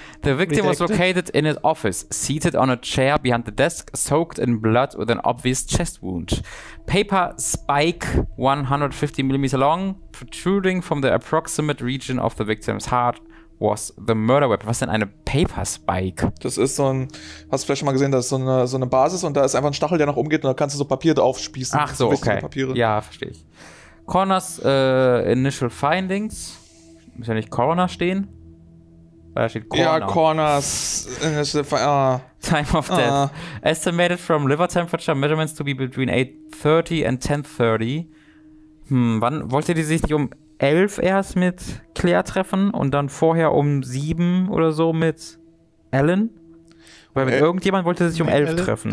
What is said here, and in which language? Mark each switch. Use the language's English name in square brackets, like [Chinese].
[English] The victim was located in his office, seated on a chair behind the desk, soaked in blood with an obvious chest wound. Paper spike 150 mm long, protruding from the approximate region of the victim's heart, was the murder weapon. [German] Was ist denn eine Paper Spike? Das ist so ein, hast du vielleicht schon mal gesehen, das ist so eine Basis und da ist einfach ein Stachel, der noch umgeht und da kannst du so Papier drauf spießen. Ach so, okay. Papiere. Ja, verstehe ich. [English] Corners Initial Findings. [German] Muss ja nicht Corner stehen. Weil da steht Corner. [English] Ja, Corners Initial Findings. Time of Death. Estimated from liver temperature measurements to be between 8:30 and 10:30. [German] Wann wollte die sich nicht um 11 erst mit Claire treffen und dann vorher um 7 oder so mit Alan? Weil mit irgendjemand wollte sie sich um 11 treffen.